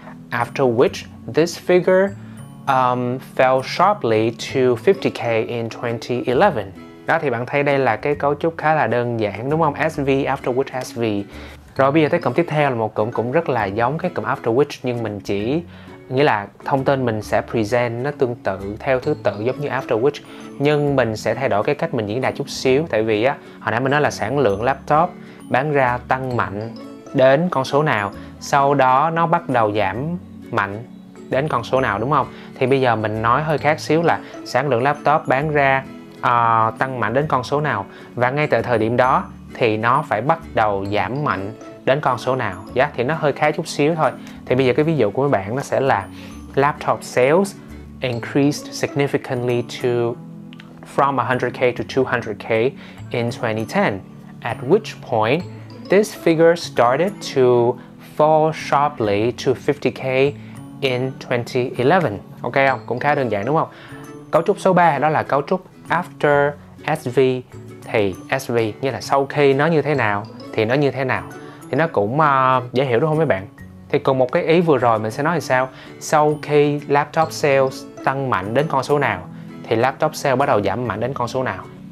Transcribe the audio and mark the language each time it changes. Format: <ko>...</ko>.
<en>After which this figure fell sharply to 50k in 2011.</en> <vi>Đó, thì bạn thấy đây là cái cấu trúc khá là đơn giản đúng không? SV after which SV. Rồi bây giờ tới cụm tiếp theo là một cụm cũng rất là giống cái cụm after which, nhưng mình chỉ nghĩa là thông tin mình sẽ present nó tương tự theo thứ tự giống như after which, nhưng mình sẽ thay đổi cái cách mình diễn đạt chút xíu. Tại vì á, hồi nãy mình nói là sản lượng laptop bán ra tăng mạnh đến con số nào, sau đó nó bắt đầu giảm mạnh đến con số nào, đúng không? Thì bây giờ mình nói hơi khác xíu là sản lượng laptop bán ra tăng mạnh đến con số nào, và ngay từ thời điểm đó thì nó phải bắt đầu giảm mạnh đến con số nào. Yeah, thì nó hơi khác chút xíu thôi. Thì bây giờ cái ví dụ của mấy bạn nó sẽ là laptop sales</vi> <en>increased significantly to from 100k to 200k in 2010, at which point this figure started to fall sharply to 50k in 2011.</en> <vi>Ok không? Cũng khá đơn giản đúng không? Cấu trúc số 3 đó là cấu trúc after SV, thì SV như là sau khi nó như thế nào thì nó như thế nào, thì nó cũng dễ hiểu đúng không mấy bạn? Thì cùng một cái ý vừa rồi mình sẽ nói là sao? Sau khi laptop sales tăng mạnh đến con số nào thì laptop sales bắt đầu giảm mạnh đến con số nào?</vi>